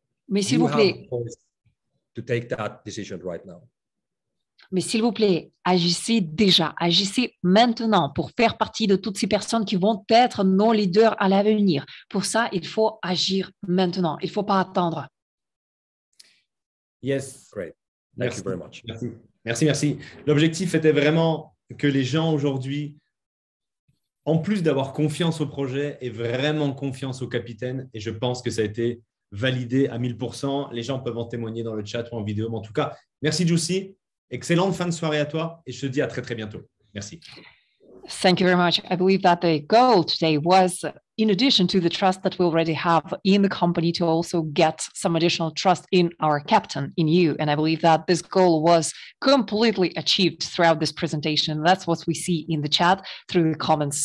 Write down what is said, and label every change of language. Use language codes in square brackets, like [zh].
[fr] Mais s'il vous plaît, [en] to take that decision right now. [fr] Mais s'il vous plaît, agissez déjà, agissez maintenant pour faire partie de toutes ces personnes qui vont être nos leaders à l'avenir. Pour ça, il faut agir maintenant. Il ne faut pas attendre. [en] Yes. Great. Thank you very much. [fr] Merci, merci. L'objectif était vraiment que les gens aujourd'hui, en plus d'avoir confiance au projet, aient vraiment confiance au capitaine. Et je pense que ça a été validé à 1000%. Les gens peuvent en témoigner dans le chat ou en vidéo. Mais en tout cas, merci Jussi. Excellente fin de soirée à toi. Et je te dis à très, très bientôt. Merci. [en] Thank you very much. I believe that the goal today was, in addition to the trust that we already have in the company, to also get some additional trust in our captain, in you. And I believe that this goal was completely achieved throughout this presentation. That's what we see in the chat through the comments.